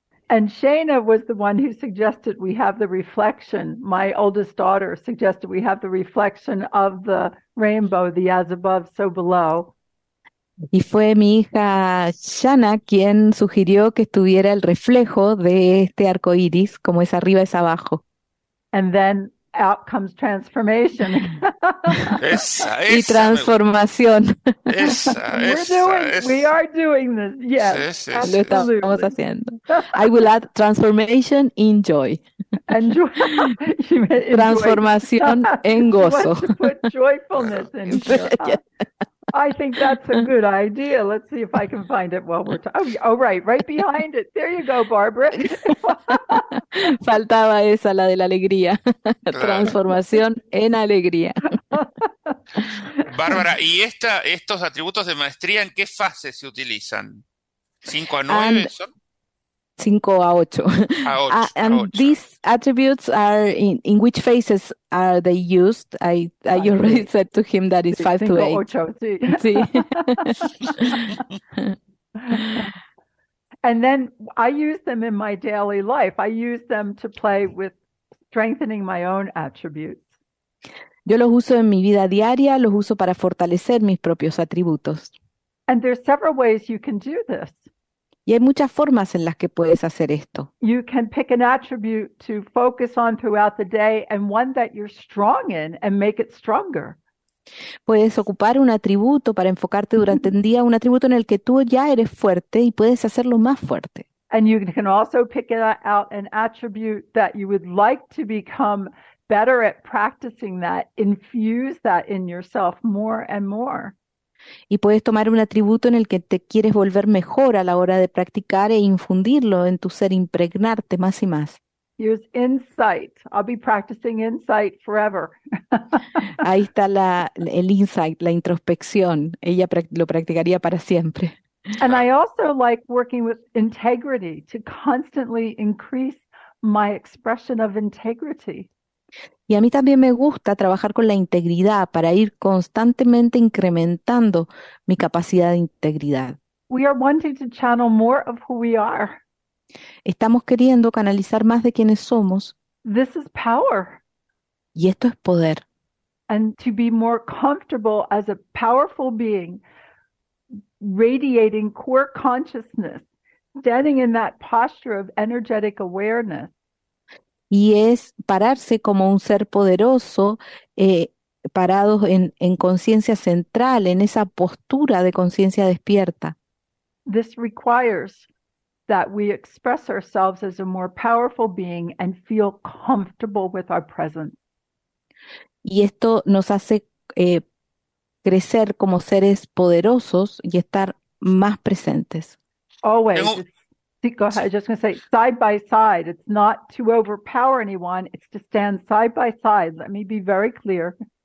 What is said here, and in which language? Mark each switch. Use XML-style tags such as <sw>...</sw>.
<en>And Shayna was the one who suggested we have the reflection. My oldest daughter suggested we have the reflection of the rainbow, the as above, so below.</en> <es>Y fue mi hija Shana quien sugirió que estuviera el reflejo de este arco iris, como es arriba, es abajo.</es> <en>And then out comes transformation.</en> <es>Esa, y transformación. Esa.</es> <en>We are doing this. Yes,</en> <es>sí. Lo estamos haciendo.</es> <en>I will add transformation in joy. Enjoy.</en> <es>Transformación en gozo.</es> <en>Put joyfulness in joy. I think that's a good idea. Let's see if I can find it while we're talking. Oh, right behind it. There you go, Barbara.</en> <es>Faltaba esa, la de la alegría. Claro. Transformación en alegría. Bárbara, ¿y estos atributos de maestría en qué fase se utilizan? ¿5 a 9 son? 5 a 8.</es> <en>And these attributes are in which phases are they used? I already said to him that it's 5 to 8.</en> <es>Ocho, sí. Sí.</es> <en>And then I use them in my daily life. I use them to play with strengthening my own attributes.</en> <es>Yo los uso en mi vida diaria, los uso para fortalecer mis propios atributos.</es> <en>And there's several ways you can do this.</en> <es>Y hay muchas formas en las que puedes hacer esto.</es> <en>You can pick an attribute to focus on throughout the day and one that you're strong in and make it stronger.</en> <es>Puedes ocupar un atributo para enfocarte durante el día, un atributo en el que tú ya eres fuerte y puedes hacerlo más fuerte.</es> <en>And you can also pick out an attribute that you would like to become better at practicing that, infuse that in yourself more and more.</en> <es>Y puedes tomar un atributo en el que te quieres volver mejor a la hora de practicar e infundirlo en tu ser, impregnarte más y más.</es> <en>Use insight. I'll be practicing insight forever.</en> <es>Ahí está el insight, la introspección. Ella lo practicaría para siempre.</es> <en>And I also like working with integrity to constantly increase my expression of integrity.</en> <es>Y a mí también me gusta trabajar con la integridad para ir constantemente incrementando mi capacidad de integridad.</es> <en>We are wanting to channel more of who we are.</en> <es>Estamos queriendo canalizar más de quienes somos.</es> <en>This is power.</en> <es>Y esto es poder.</es> <en>And to be more comfortable as a powerful being, radiating core consciousness, standing in that posture of energetic awareness.</en> <es>Y es pararse como un ser poderoso, parado en conciencia central, en esa postura de conciencia despierta.</es> <en>This requires that we express ourselves as a more powerful being and feel comfortable with our presence.</en> <es>Y esto nos hace crecer como seres poderosos y estar más presentes.</es> <en>Always. Go ahead. I was just going to say, side by side. It's not to overpower anyone. It's to stand side by side. Let me be very clear.</en>